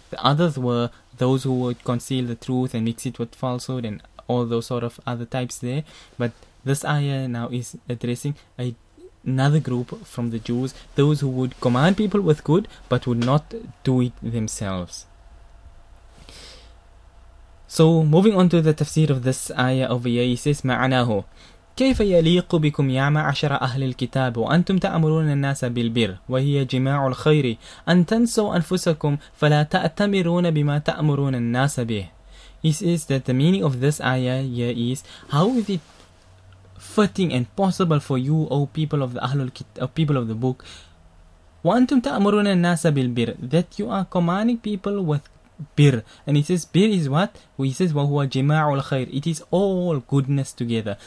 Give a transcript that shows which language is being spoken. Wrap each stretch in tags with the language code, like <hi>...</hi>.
<en>The others were those who would conceal the truth and mix it with falsehood and all those sort of other types there. But this ayah now is addressing another group from the Jews, those who would command people with good but would not do it themselves. So moving on to the tafsir of this ayah over here, he says, ma'anahu,</en> <ar>كيف يليق بكم يا معشر أهل الكتاب وأنتم تأمرون الناس بالبر وهي جماع الخير أن تنسوا أنفسكم فلا تأتمرون بما تأمرون الناس به.</ar> <en>He says that the meaning of this ayah here is, how is it fitting and possible for you, O people of the Ahlul Kitab, people of the book,</en> <ar>وأنتم تأمرون الناس بالبر,</ar> <en>that you are commanding people with bir. And he says bir is what? He says wahuwa jama'ul khair, it is all goodness together.</en>